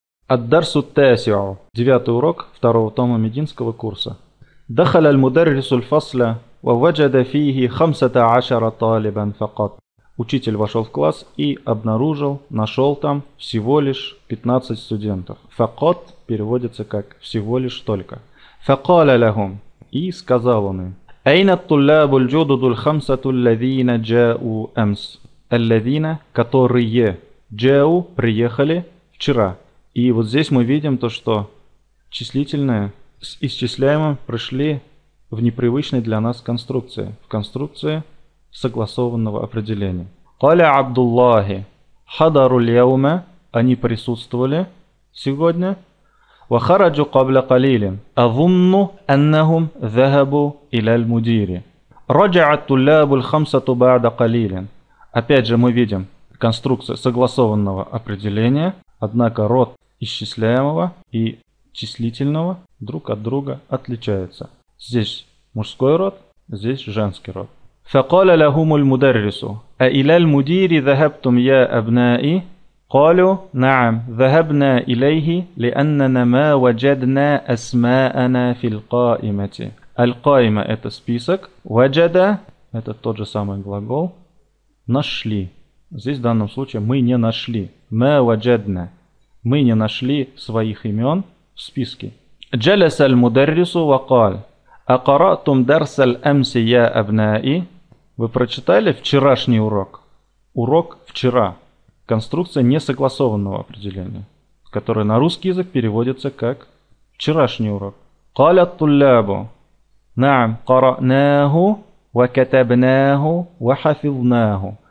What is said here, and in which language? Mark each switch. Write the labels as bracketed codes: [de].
[ar] الدرس التاسع، [ru] девятый урок второго тома мединского курса. [ar] دخل المدرس الفصل ووجد فيه 15 طالبا فقط. [ru] Учитель вошел в класс и обнаружил, нашел там всего лишь 15 студентов. فقط переводится как всего лишь только. [ar] فقال لهم, [ru] и сказал он им: [ar] أين الطلاب الجدد الخمسة الذين جاءوا أمس؟ الذين [ru] которые [ar] جاءوا [ru] приехали вчера. И вот здесь мы видим то, что числительное с исчисляемым пришли в непривычной для нас конструкции, в конструкции согласованного определения. [ar] قال عبد الله حضروا اليوم, [ru] они присутствовали сегодня. [ar] وخرجوا قبل قليل أظن أنهم ذهبوا إلى المدير. رجع الطلاب الخمسة بعد قليل. [ru] Опять же мы видим конструкцию согласованного определения, однако род исчисляемого и числительного друг от друга отличается. Здесь мужской род, здесь женский род. [ar] فقال لهم المدرس أإلى المدير ذهبتم يا أبنائي؟ قالوا نعم ذهبنا إليه لأننا ما وجدنا أسماءنا في القائمة. [ru] القائمة это список. وجد это тот же самый глагол. Нашли. Здесь в данном случае мы не нашли. [ar] ما وجدنا. [ru] Мы не нашли своих имен в списке. جلس المدرس وقال أقرأتم درس الأمس يا أبنائي. Вы прочитали вчерашний урок? Урок вчера. Конструкция несогласованного определения, которая на русский язык переводится как «вчерашний урок». [ar] قَالَ الطُّلَّابُ نَعَمْ قَرَأْنَاهُ وَكَتَبْنَاهُ وَحَفِظْنَاهُ.